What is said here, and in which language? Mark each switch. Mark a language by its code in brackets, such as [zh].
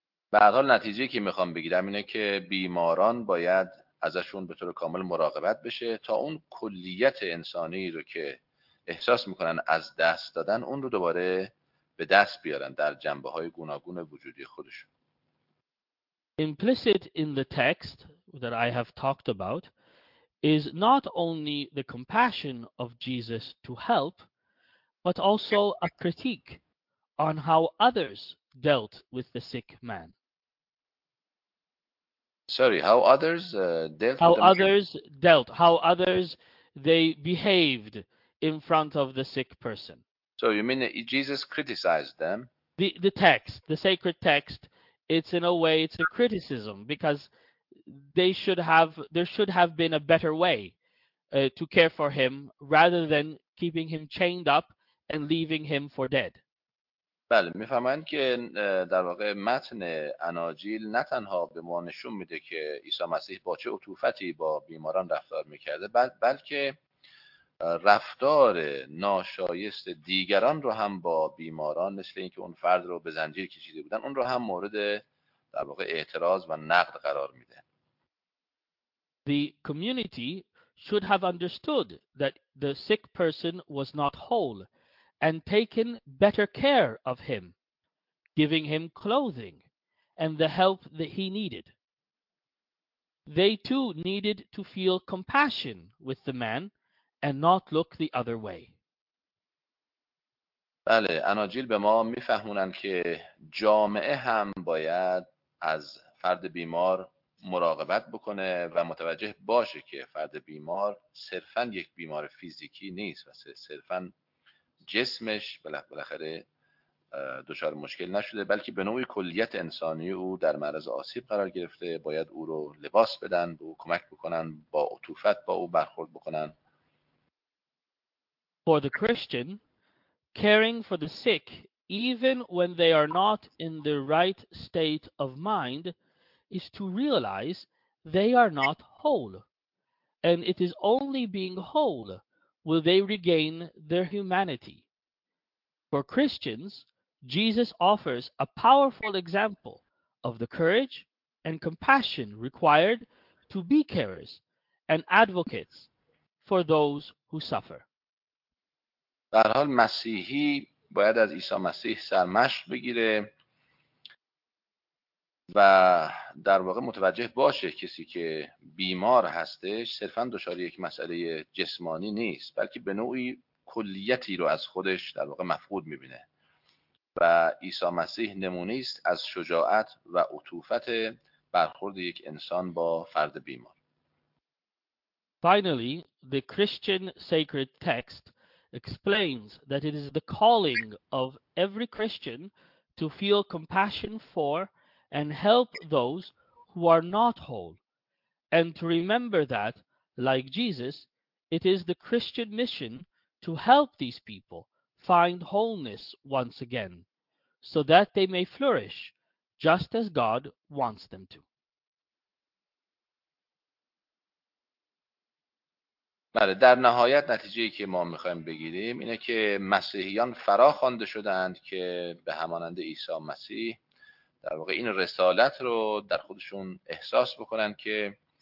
[fa] به هر حال نتیجه که میخوام بگیرم اینه که بیماران باید ازشون به طور کامل مراقبت بشه تا اون کلیت انسانی رو که احساس میکنن از دست دادن اون رو دوباره به دست بیارن در جنبه‌های گوناگون وجودی خودشون. [en] Implicit in the text that I have talked about is not only the compassion of Jesus to help, but also a critique on how others dealt with the sick man. Sorry, how others dealt how with others man. Dealt, how others they behaved in front of the sick person. So you mean Jesus criticized them? The text, the sacred text, it's in a way it's a criticism because there should have been a better way to care for him rather than keeping him chained up and leaving him for dead. [fa] بله میفهمند که در واقع متن اناجیل نه تنها به ما نشون میده که عیسی مسیح با چه عطوفتی با بیماران رفتار میکرده بلکه رفتار ناشایست دیگران رو هم با بیماران مثل اینکه اون فرد رو به زنجیر کشیده بودن اون رو هم مورد در واقع اعتراض و نقد قرار میده. [en] The community should have understood that the sick person was not whole and taken better care of him, giving him clothing and the help that he needed. They too needed to feel compassion with the man and not look the other way. [fa] بله، اناجیل به ما میفهمونن که جامعه هم باید از فرد بیمار مراقبت بکنه و متوجه باشه که فرد بیمار صرفاً یک بیمار فیزیکی نیست و صرفاً جسمش بالاخره دچار مشکل نشده بلکه به نوعی کلیت انسانی او در معرض آسیب قرار گرفته باید او رو لباس بدن، به او کمک بکنن، با عطوفت با او برخورد بکنن. [en] For the Christian, caring for the sick, even when they are not in the right state of mind, is to realize they are not whole. And it is only being whole will they regain their humanity. For Christians, Jesus offers a powerful example of the courage and compassion required to be carers and advocates for those who suffer. [fa] به هر حال مسیحی باید از عیسی مسیح سرمشق بگیره و در واقع متوجه باشه کسی که بیمار هستش صرفا دچار یک مسئله جسمانی نیست بلکه به نوعی کلیتی رو از خودش در واقع مفقود میبینه و عیسی مسیح نمونه است از شجاعت و عطوفت برخورد یک انسان با فرد بیمار. [en] Finally, the Christian sacred text explains that it is the calling of every Christian to feel compassion for and help those who are not whole, and to remember that, like Jesus, it is the Christian mission to help these people find wholeness once again, so that they may flourish just as God wants them to. [fa] بله، در نهایت نتیجه‌ای که ما می‌خوایم بگیریم اینه که مسیحیان فرا خوانده شدند که به همانند عیسی مسیح در واقع این رسالت رو در خودشون احساس بکنن که